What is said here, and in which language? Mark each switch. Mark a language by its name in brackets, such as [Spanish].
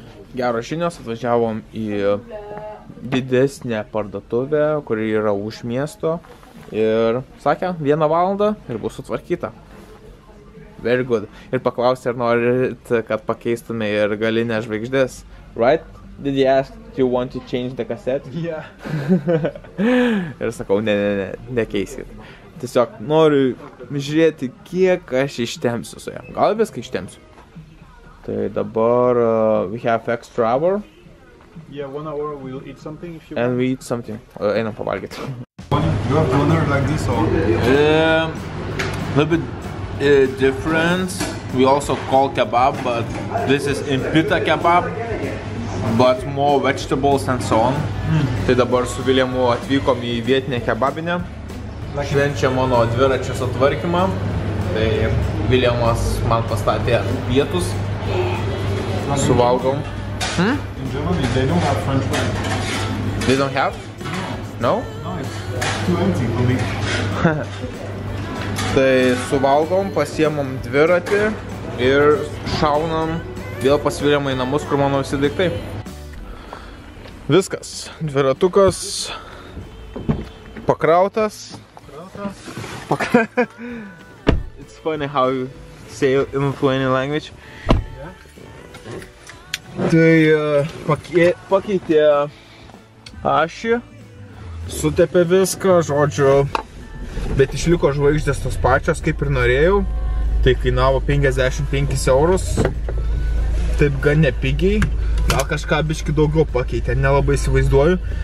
[Lithuanian] Geros žinios, atvažiavom į didesnę parduotuvę, kuri yra už miesto, ir sakė, 1 valandą ir bus sutvarkyta. [English] Very good. [Lithuanian] Ir paklausė, ar norit, kad pakeistume ir galinę žvaigždės. [English] Right? Did you ask, do you want to change the cassette? Yeah. [Lithuanian] Ir sakau, ne, nekeiskit. Tiesiog noriu žiūrėti, kiek aš ištemsiu su jam. Gal viską ištemsiu. Tai dabar [English] we have extra hour. Yeah, 1 hour, we'll eat something if you want. And we eat something. [Lithuanian] Einam pavalgyti. [English] You have 1 hour like this or? Different. We also call kebab, but this is in pita kebab, but more vegetables and so on. [Lithuanian] Tai dabar su Viljamu atvykom į vietinę kebabinę, švenčia mano dviračio sutvarkymą, Tai Viljamas man pastatė pietus. Suvalgom. Hmm? [English] In Germany, they don't have French bread. They don't have? No. No? No, it's too empty for me. [Lithuanian] Tai suvalgom, pasiemam dviratį ir šaunam vėl pasiviliamą į namus, kur mano visi daiktai. Viskas. Dviratukas pakrautas. Pakrautas. [English] It's funny how you say in Lithuanian language. Yeah. [Lithuanian] Tai pakeitė ašį, sutepė viską, žodžiu. Bet išliko žvaigždės tos pačios, kaip ir norėjau. Tai kainavo 55 eurus. Taip gan nepigiai. Gal kažką biškį daugiau pakeitė, nelabai įsivaizduoju.